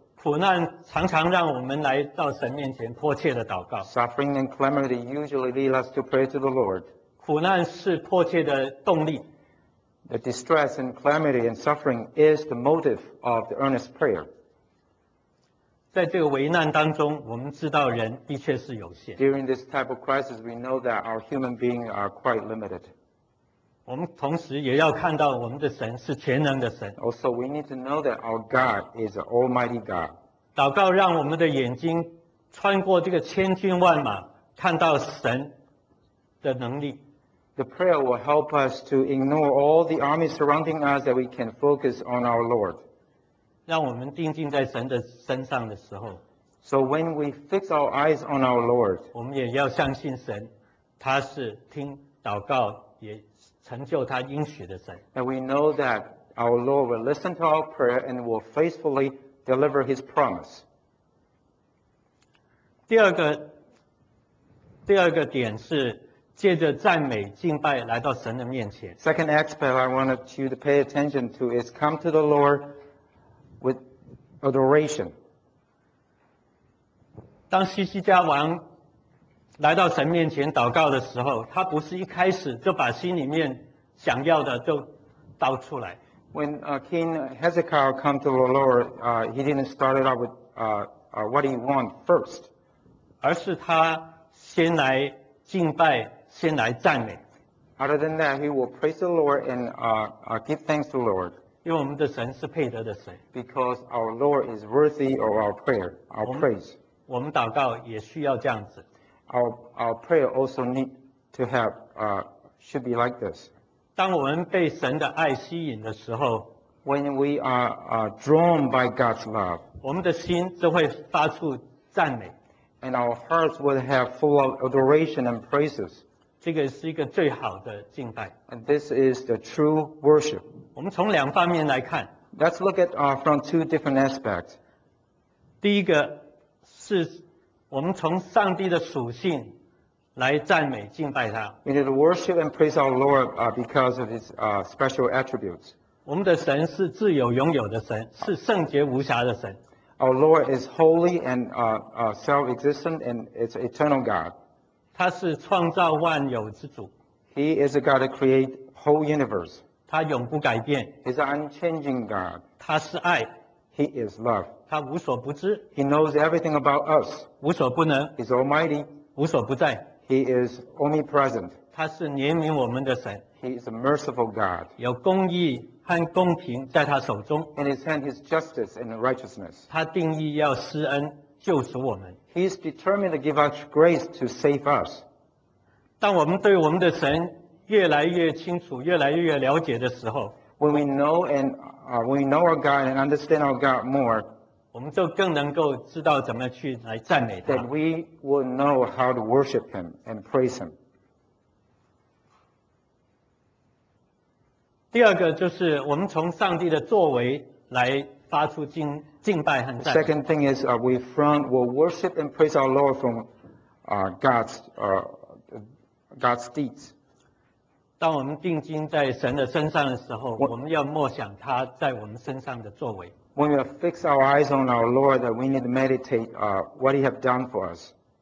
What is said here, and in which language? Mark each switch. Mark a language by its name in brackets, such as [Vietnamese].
[Chinese] 苦难常常让我们来到神面前迫切的祷告。 [English] Suffering and calamity usually lead us to pray to the Lord. [Chinese] 苦难是迫切的动力。 [English] The distress and calamity and suffering is the motive of the earnest prayer. [Chinese] 在这个危难当中，我们知道人的确是有限。 [English] During this type of crisis, we know that our human beings are quite limited. [Chinese] 我们同时也要看到我们的神是全能的神。 [English] Also, we need to know that our God is an Almighty God. [Chinese] 祷告让我们的眼睛穿过这个千军万马，看到神的能力。 [English] The prayer will help us to ignore all the armies surrounding us that we can focus on our Lord. [Chinese] 让我们定睛在神的身上的时候。 [English] So when we fix our eyes on our Lord, [Chinese] 我们也要相信神，他是听祷告也。成就他应许的神。 [English] And we know that our Lord will listen to our prayer and will faithfully deliver His promise. [Chinese] 第二个点是借着赞美敬拜来到神的面前。 [English] Second aspect I wanted you to pay attention to is come to the Lord with adoration. [Chinese] 当西西家王来到神面前祷告的时候，他不是一开始就把心里面想要的就倒出来。 [English] When King Hezekiah came to the Lord, he didn't start it out with what he wanted first. [Chinese] 而是他先来敬拜，先来赞美。 [English] Other than that, he will praise the Lord and give thanks to the Lord. [Chinese] 因为我们的神是配得的神。 [English] Because our Lord is worthy of our prayer, our praise. [Chinese] 我们祷告也需要这样子。 [English] Our prayer also need to have, should be like this. [Chinese] 当我们被神的爱吸引的时候, [English] when we are drawn by God's love, [Chinese] 我们的心就会发出赞美。 [English] And our hearts will have full of adoration and praises. [Chinese] 这个是一个最好的敬拜。 [English] And this is the true worship. [Chinese] 我们从两方面来看。 [English] Let's look at from two different aspects. [Chinese] 第一个是 我们从上帝的属性来赞美敬拜他。 [English] We need to worship and praise our Lord because of His special attributes. [Chinese] 我们的神是自由拥有的神，是圣洁无瑕的神。 [English] Our Lord is holy and self-existent and it's eternal God. [Chinese] 他是创造万有之主。 [English] He is a God that creates whole universe. [Chinese] 他永不改变。 [English] He's an unchanging God. [Chinese] 他是爱。 [English] He is love. [Chinese] 他无所不知, [English] he knows everything about us. [Chinese] 无所不能, [English] he's almighty. [Chinese] 无所不在, [English] he is omnipresent. [Chinese] 他是怜悯我们的神, [English] he is a merciful God. [Chinese] 有公义和公平在他手中, [English] in his hand is justice and righteousness. [Chinese] 他定义要施恩救赎我们, [English] he is determined to give us grace to save us. [Chinese] 当我们对我们的神越来越清楚, 越来越了解的时候, [English] when we know and when we know our God and understand our God more, [Chinese] 我们就更能够知道怎么去来赞美他。 [English] That we will know how to worship Him and praise Him. [Chinese] 第二个就是我们从上帝的作为来发出敬拜和赞美。 [English] The second thing is we from will worship and praise our Lord from God's deeds. [Chinese] 当我们定睛在神的身上的时候, 我们要默想他在我们身上的作为。 [English] When we fix our eyes on our Lord, that we need to meditate what He has done for us.